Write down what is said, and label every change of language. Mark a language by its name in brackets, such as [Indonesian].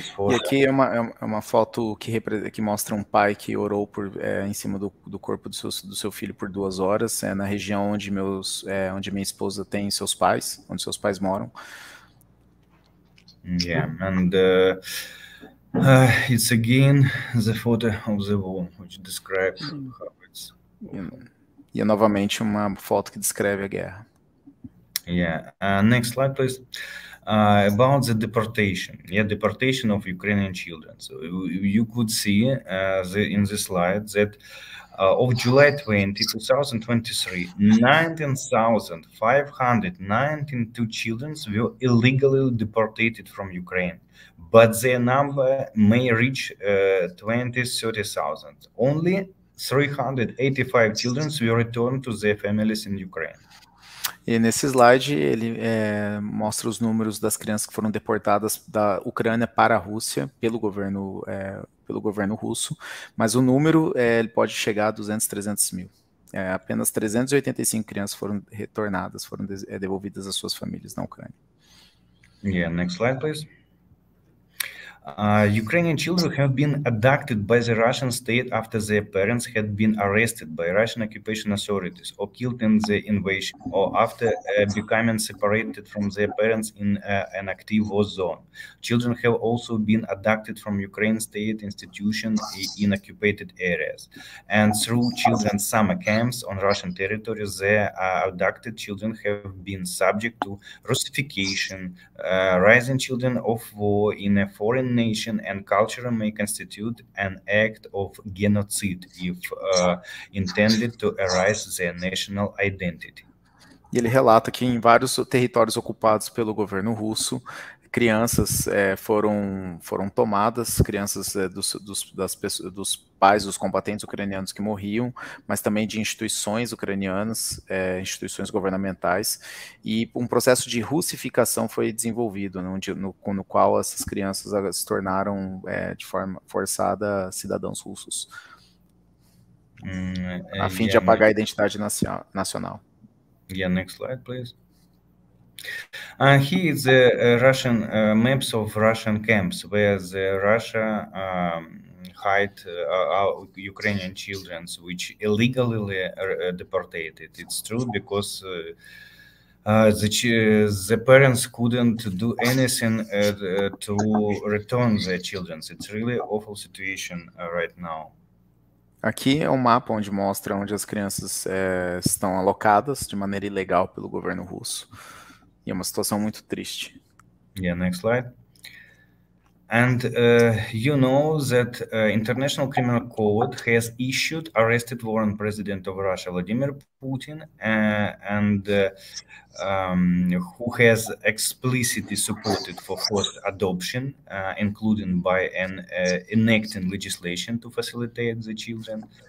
[Portuguese] E aqui é uma foto que mostra um pai que orou em cima do corpo do seu filho por 2 horas, na região onde minha esposa tem seus pais, onde seus pais moram. [English] Yeah, and It's again the photo of the wall, which describes how it's. E novamente uma foto que descreve a guerra. Next slide, please. About the deportation. Yeah, deportation of Ukrainian children. So you could see in this slide that of July 20, 2023, 19,592 children were illegally deported from Ukraine. But their number may reach 20,000-30,000. Only 385 children were returned to their families in Ukraine. [Portuguese] E nesse slide ele mostra os números das crianças que foram deportadas da Ucrânia para a Rússia pelo governo russo, mas o número ele pode chegar a 200, 300 mil. Apenas 385 crianças foram retornadas, foram devolvidas às suas famílias na Ucrânia. [English] Yeah, next slide, please. Ukrainian children have been abducted by the Russian state after their parents had been arrested by Russian occupation authorities or killed in the invasion or after becoming separated from their parents in an active war zone. Children have also been abducted from Ukraine state institutions in occupied areas. And through children's summer camps on Russian territory, their abducted children have been subject to Russification, rising children of war in a foreign nation and culture may constitute an act of genocide if intended to erase their national identity. [Portuguese] Ele relata que em vários territórios ocupados pelo governo russo, crianças foram tomadas, crianças das pessoas, dos pais dos combatentes ucranianos que morriam, mas também de instituições ucranianas, instituições governamentais, e um processo de russificação foi desenvolvido, no qual essas crianças se tornaram de forma forçada cidadãos russos, a fim de apagar a identidade nacional. [English] Yeah, next slide, please. Here is the Russian maps of Russian camps where the Russia hide Ukrainian children, which illegally deported. It's true because the parents couldn't do anything to return their children. It's really awful situation right now. [Portuguese] Aqui é um mapa onde mostra onde as crianças estão alocadas de maneira ilegal pelo governo russo. E é uma situação muito triste. [English] Yeah, next slide. And you know that International Criminal Court has issued arrest warrant President of Russia Vladimir Putin who has explicitly supported for forced adoption, including by enacting legislation to facilitate the children.